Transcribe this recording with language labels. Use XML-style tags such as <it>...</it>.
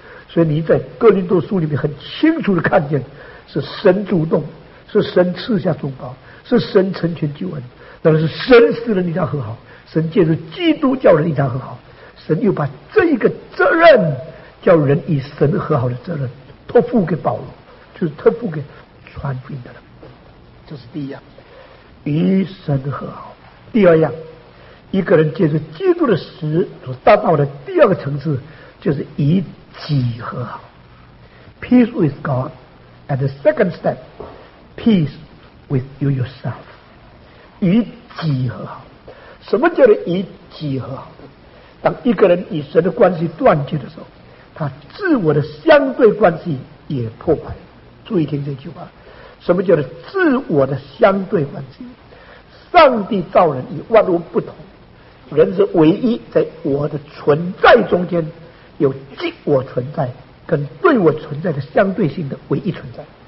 <zh>所以你在哥林多书里面很清楚的看见，是神主动，是神赐下中保，是神成全救恩，那是神使人与他和好，神借着基督叫人与他和好，神又把这一个责任叫人与神和好的责任托付给保罗，就是托付给传福音的人。这是第一样，与神和好。第二样，一个人借助基督的死所达到的第二个层次，就是与己和好。</zh> <en>Peace with God. And the second step, peace with you yourself.</en> <zh>与己和好。什么叫做与己和好？当一个人与神的关系断绝的时候，他自我的相对关系也破坏。注意听这句话，什么叫做自我的相对关系？上帝造人与万物不同，人是唯一在我的存在中间有即我存在跟对我存在的相对性的唯一存在。</zh>